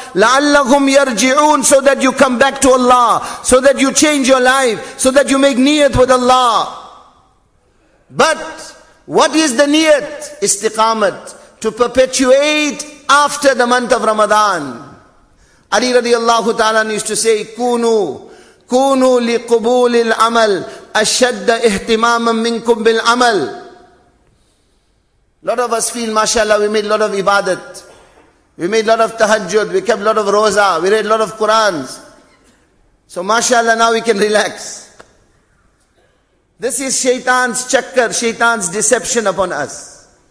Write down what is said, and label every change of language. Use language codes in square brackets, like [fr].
[ar] لَعَلَّهُمْ يَرْجِعُونَ. [en] So that you come back to Allah. So that you change your life. So that you make niyat with Allah. But what is the niyat? Istiqamat. To perpetuate after the month of Ramadan. Ali radiallahu ta'ala used to say, [ar] كُونُوا لِقُبُولِ الْعَمَلِ أَشَدَّ اِهْتِمَامًا مِنْكُمْ بِالْعَمَلِ. [en] Lot of us feel, mashallah, we made a lot of ibadat. We made a lot of tahajjud. We kept a lot of roza. We read a lot of Qurans. So mashallah, now we can relax. This is shaitan's chakkar, shaitan's deception upon us.